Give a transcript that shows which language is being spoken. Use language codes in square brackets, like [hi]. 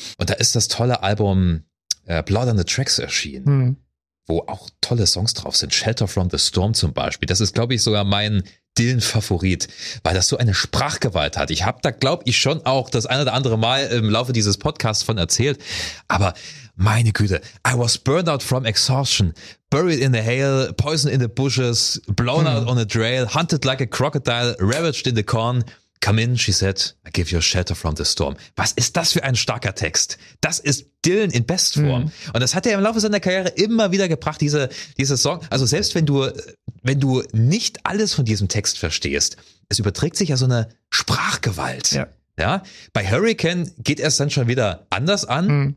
[de] Und da ist das tolle Album Blood on the Tracks erschienen, wo auch tolle Songs drauf sind. Shelter from the Storm zum Beispiel. Das ist, glaube ich, sogar mein Dylan-Favorit, weil das so eine Sprachgewalt hat. Ich habe da, glaube ich, schon auch das ein oder andere Mal im Laufe dieses Podcasts von erzählt. Aber meine Güte, [en] I was burned out from exhaustion, buried in the hail, poison in the bushes, blown out on a trail, hunted like a crocodile, ravaged in the corn. Come in, she said, I give you a shelter from the storm. [de] Was ist das für ein starker Text? Das ist Dylan in Bestform. Mhm. Und das hat er im Laufe seiner Karriere immer wieder gebracht, diese Song. Also selbst wenn du nicht alles von diesem Text verstehst, es überträgt sich ja so eine Sprachgewalt. Ja. Ja, bei Hurricane geht er es dann schon wieder anders an. Mhm.